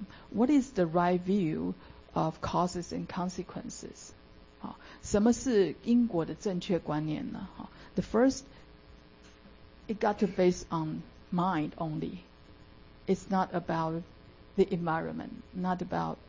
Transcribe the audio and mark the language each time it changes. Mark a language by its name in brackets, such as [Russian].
[English] What is the right view of causes and consequences? [Chinese] 什么是因果的正确观念呢？ [English] The first, it got to base on mind only. It's not about the environment, not about